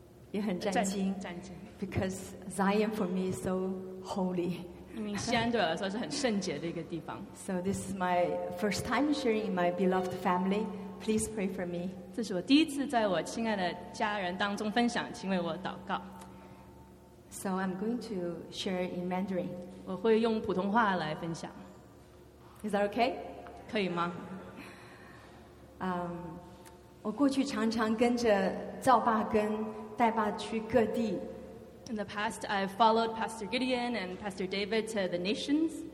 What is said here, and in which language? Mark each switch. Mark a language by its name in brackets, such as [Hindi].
[Chinese] 也很战惊 [English] Because Zion for me is so holy So this is my first time sharing in my beloved family. Please pray for me. [Chinese] 这是我第一次在我亲爱的家人当中分享，请为我祷告。So [English] I'm going to share in Mandarin. [Chinese] 我会用普通话来分享。Is [English] that okay? [Chinese] 可以吗？我过去常常跟着赵爸跟戴爸去各地。 [English] In the past, I've followed Pastor Gideon and Pastor David to the nations.